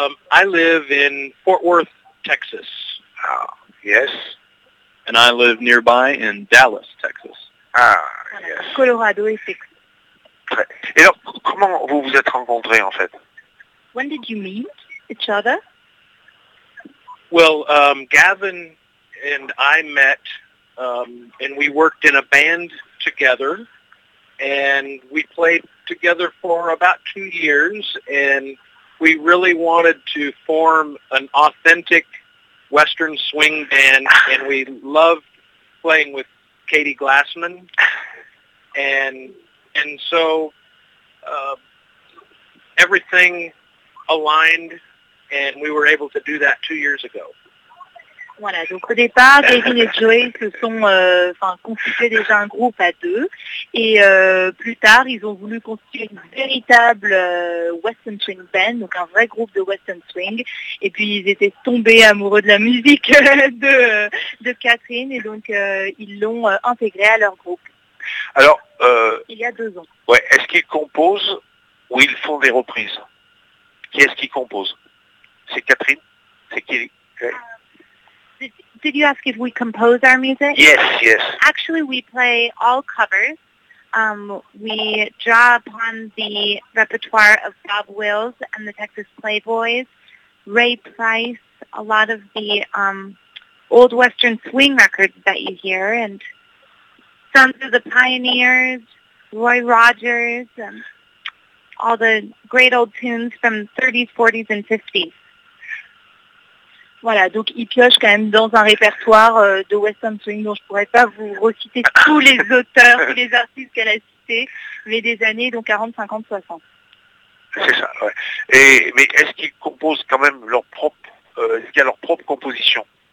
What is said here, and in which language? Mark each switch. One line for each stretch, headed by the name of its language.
English: I live in Fort Worth, Texas. Ah, yes. And I live nearby in Dallas, Texas. Ah, yes.
French: Colorado et Texas. Et alors, comment vous vous êtes rencontrés, en fait?
English: When did you meet each other? Well, Gavin and I met, and we worked in a band together, and we played together for about 2 years, and we really wanted to form an authentic Western swing band, and we loved playing with Katie Glassman, and so everything aligned, and we were able to do that 2 years ago.
French: Voilà, donc au départ, Gavin et Joey se sont constitués déjà un groupe à deux. Et plus tard, ils ont voulu constituer une véritable Western Swing Band, donc un vrai groupe de Western Swing. Et puis ils étaient tombés amoureux de la musique de Catherine. Et donc ils l'ont intégré à leur groupe. Alors, il y a 2 ans. Ouais, est-ce qu'ils composent ou ils font des reprises? Qui est-ce qui compose? C'est Catherine? C'est qui? Ouais.
English: Did you ask if we compose our music? Yes, yes. Actually, we play all covers. We draw upon the repertoire of Bob Wills and the Texas Playboys, Ray Price, a lot of the old Western swing records that you hear, and Sons of the Pioneers, Roy Rogers, and all the great old tunes from the 30s, 40s, and 50s.
French: Voilà, donc il pioche quand même dans un répertoire de Western Swing dont je ne pourrais pas vous reciter tous les auteurs, tous les artistes qu'elle a cités, mais des années, donc 40, 50, 60. C'est ça, ouais. Et, mais est-ce qu'ils composent quand même leur propre, est-ce qu'il y a leur propre composition?